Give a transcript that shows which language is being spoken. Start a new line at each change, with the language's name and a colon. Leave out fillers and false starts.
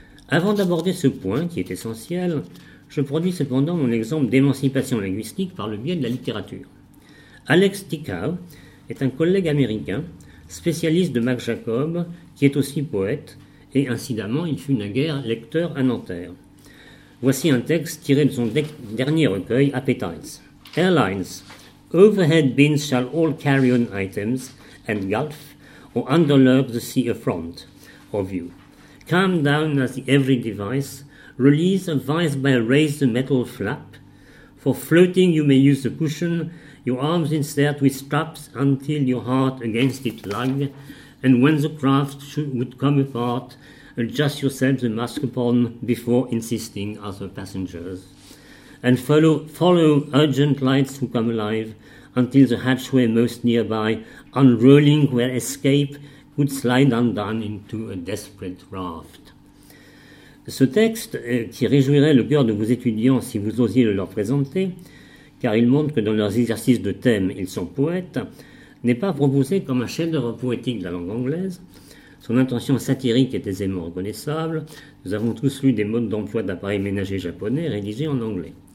French: Avant d'aborder ce point qui est essentiel, je produis cependant mon exemple d'émancipation linguistique par le biais de la littérature. Alex Tikau est un collègue américain, spécialiste de Max Jacob, qui est aussi poète, et incidemment, il fut naguère lecteur à Nanterre. Voici un texte tiré de son dernier recueil, Appetites.
English: Airlines, overhead bins shall all carry on items, and gulf, or underlurk the sea affront of you. Calm down as the every device, release a vice by raise the metal flap. For floating you may use the cushion, your arms insert with straps until your heart against it lug, and when the craft would come apart, adjust yourself the mask upon before insisting other passengers. And follow urgent lights who come alive until the hatchway most nearby, unrolling where escape could slide undone into a desperate raft.
French: Ce texte, qui réjouirait le cœur de vos étudiants si vous osiez le leur présenter, car il montre que dans leurs exercices de thème, ils sont poètes, n'est pas proposé comme un chef-d'œuvre poétique de la langue anglaise. Son intention satirique est aisément reconnaissable. Nous avons tous lu des modes d'emploi d'appareils ménagers japonais rédigés en anglais.